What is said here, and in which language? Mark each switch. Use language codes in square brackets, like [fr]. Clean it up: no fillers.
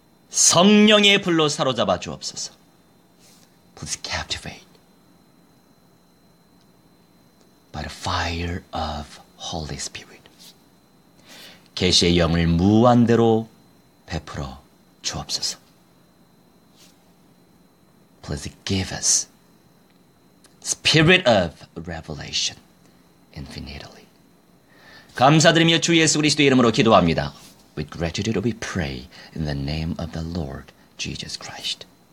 [ko] 성령의 불로 사로잡아 주옵소서. [en] Please captivate by the fire of Holy Spirit. [ko] 계시의 영을 무한대로 베풀어 주옵소서. [en] Please give us spirit of revelation infinitely. [ko] 감사드리며 주 예수 그리스도 이름으로 기도합니다. [en] With gratitude we pray in the name of the Lord Jesus Christ.